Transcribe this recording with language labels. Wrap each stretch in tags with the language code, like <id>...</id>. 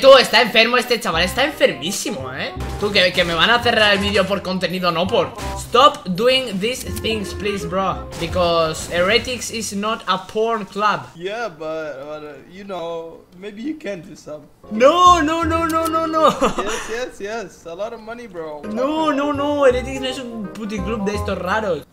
<es>Tú, está enfermo este chaval, está enfermísimo, eh. Tú, que me van a cerrar el vídeo por contenido, no por.</es> <en>Stop doing these things, please, bro. Because heretics is not a porn club. Yeah, but you know, maybe you can do some. No, no, no, no, no, no. Yes, yes, yes. A lot of money, bro. No, no, no.</en> <es>Heretics no es un puti club de estos raros.</es>